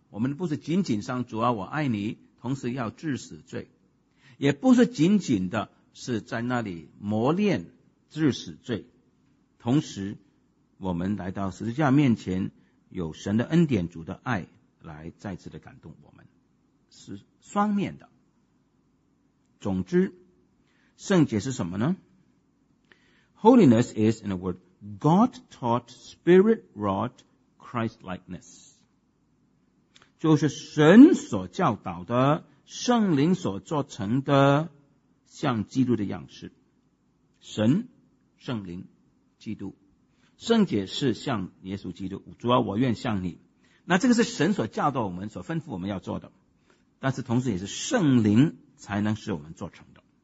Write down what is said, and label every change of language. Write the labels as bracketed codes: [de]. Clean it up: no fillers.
[zh] 我们不是仅仅上主啊我爱你，同时要致死罪，也不是仅仅的是在那里磨练致死罪，同时我们来到十字架面前，有神的恩典，主的爱来再次的感动我们，是双面的。总之，圣洁是什么呢？ [en] Holiness is, in a word, God-taught, Spirit-wrought Christ-likeness. [zh] 就是神所教导的，圣灵所做成的，像基督的样式。神圣灵基督，圣洁是像耶稣基督，主要我愿像你，那这个是神所教导我们所吩咐我们要做的，但是同时也是圣灵才能使我们做成的。